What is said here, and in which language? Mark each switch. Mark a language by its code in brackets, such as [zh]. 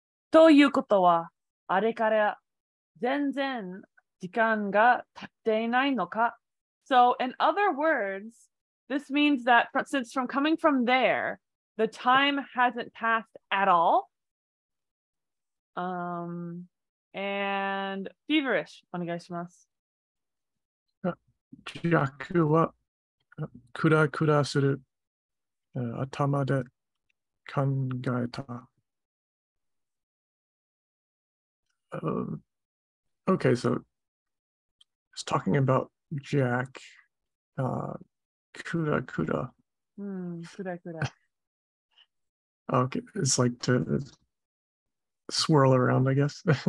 [ja] ということは、あれから全然時間が経っていないのか? [en] So, in other words, this means that since from coming from there, the time hasn't passed at all. And feverish, [ja] お願いします。ジャックはクラクラする頭で考えた。 [en] Okay, so it's talking about Jack, kura kura. [ja] Kura kura. [en] Okay, it's like to swirl around, I guess.